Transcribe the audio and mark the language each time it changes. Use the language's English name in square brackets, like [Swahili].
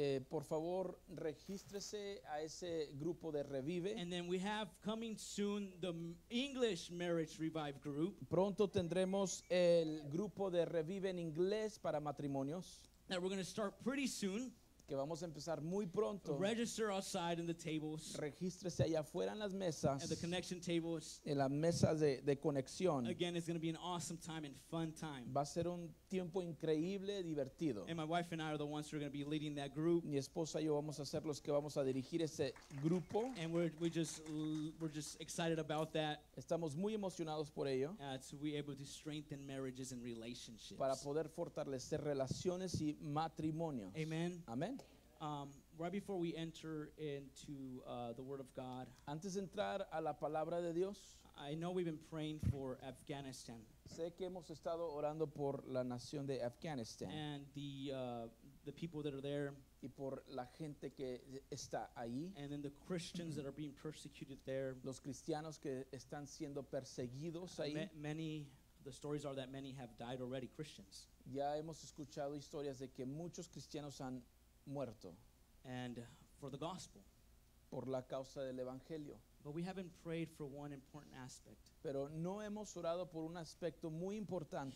[Spanish] Por favor, regístrese a ese grupo de Revive. [English] And then we have coming soon the English Marriage Revive group. [Spanish] Pronto tendremos el grupo de Revive en inglés para matrimonios. [English] That we're going to start pretty soon. [Spanish] Que vamos a empezar muy pronto. [English] Register outside in the tables. [Spanish] Regístrese allá afuera en las mesas. [English] At the connection tables. [Spanish] En las mesas de conexión. [English] Again, it's going to be an awesome time and fun time. [Spanish] Va a ser un tiempo increíble, divertido. [English] And my wife and I are the ones who are going to be leading that group. [Spanish] Mi esposa y yo vamos a ser los que vamos a dirigir ese grupo. [English] And we're just excited about that. [Spanish] Estamos muy emocionados por ello. [English] To be able to strengthen marriages and relationships. [Spanish] Para poder fortalecer relaciones y matrimonios. [English] Amen. [Spanish] Amen. [English] Right before we enter into the Word of God. [Spanish] Antes de entrar a la palabra de Dios. [English] I know we've been praying for Afghanistan. [Spanish] Sé que hemos estado orando por la nación de Afghanistan. [English] And the people that are there. [Spanish] Y por la gente que está ahí. [English] And then the Christians that are being persecuted there. [Spanish] Los cristianos que están siendo perseguidos ahí. [English] The stories are that many have died already, Christians. [Spanish] Ya hemos escuchado historias de que muchos cristianos han muerto. [English] And for the gospel. [Spanish] Por la causa del evangelio. [English] But we haven't prayed for one important aspect. [Spanish] Pero no hemos orado por un aspecto muy importante